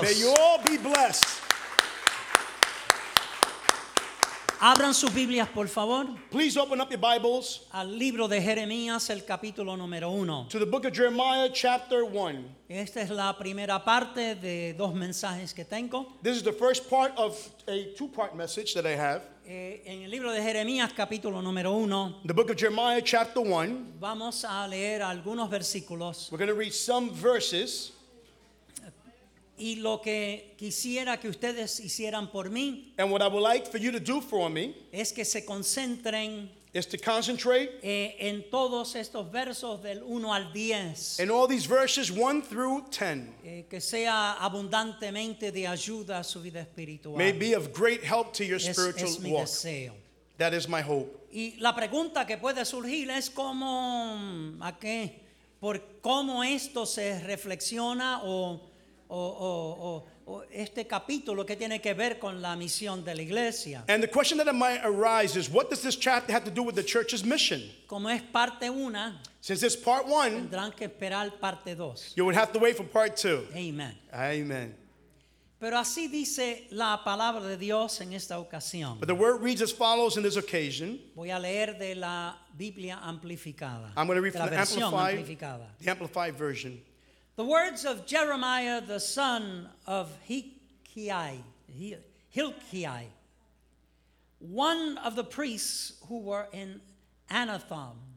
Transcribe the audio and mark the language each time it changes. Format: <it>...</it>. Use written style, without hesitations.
<en>May you all be blessed.</en> <es>Abran sus Biblias, por favor.</es> <en>Please open up your Bibles.</en> <es>Al libro de Jeremías, el capítulo número uno.</es> <en>To the book of Jeremiah, chapter 1.</en> <es>Esta es la primera parte de dos mensajes que tengo.</es> <en>This is the first part of a two-part message that I have.</en> <es>En el libro de Jeremías, capítulo número uno.</es> <en>The book of Jeremiah, chapter 1.</en> <es>Vamos a leer algunos versículos.</es> <en>We're going to read some verses.</en> <es>Y lo que quisiera que ustedes hicieran por mí,</es> <en>and what I would like for you to do for me,</en> <es>es que se concentren,</es> <en>is to concentrate</en> <es>en todos estos versos del 1 al 10.</es> <en>In all these verses 1 through 10.</en> <es>Que sea abundantemente de ayuda a su vida espiritual.</es> <en>May be of great help to your spiritual</en> <es>es mi</es> <en>walk.</en> <es>Deseo.</es> <en>That is my hope.</en> <es>Y la pregunta que puede surgir es cómo, ¿a qué? Por cómo esto se reflexiona o este capítulo que tiene que ver con la misión de la iglesia.</es> <en>And the question that might arise is, what does this chapter have to do with the church's mission?</en> <es>Como es parte una,</es> <en>since it's part one,</en> <es>tendrán que esperar parte dos.</es> <en>You would have to wait for part two. Amen. Amen.</en> <es>Pero así dice la palabra de Dios en esta ocasión.</es> <en>But the word reads as follows in this occasion.</en> <es>Voy a leer de la Biblia amplificada.</es> <en>I'm going to read from the amplified, version. The words of Jeremiah, the son of Hilkiah, one of the priests who were in Anathoth.</en>